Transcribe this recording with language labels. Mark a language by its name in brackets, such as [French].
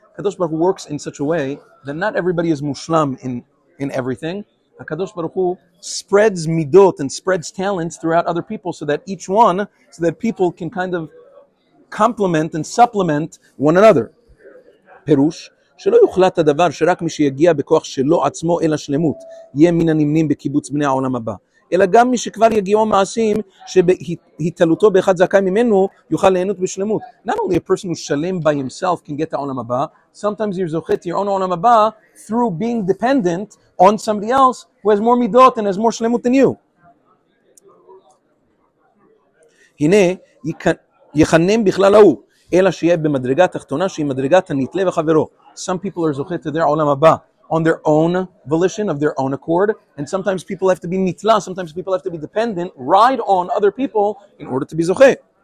[English] Hakadosh Baruch Hu works in such a way that not everybody is mushlam in everything. Hakadosh Baruch Hu spreads midot and spreads talents throughout other people so that people can kind of complement and supplement one another. [Hebrew] Perush, שלא יוחלט הדבר שרק מי שיגיע בכוח שלו עצמו אל השלמות יהיה מן הנמנים בקיבוץ בני העולם הבא. אלא גם מי שכבר יגיעו מעשים שבהתעלותו באחד זכאי ממנו יוכל ליהנות בשלמות. [English] Not only a person who's shalem by himself can get the olam haba, sometimes you're zochet to your own olam haba through being dependent on somebody else who has more midot and has more shlemut than you. [Hebrew] הנה יחנם בכלל ההוא, אלא שיהיה במדרגה תחתונה שהיא מדרגת הנתלה וחברו. [English] Some people are zochet to their olam haba on their own volition, of their own accord. And sometimes people have to be nitla, sometimes people have to be dependent, ride on other people in order to be zocheh.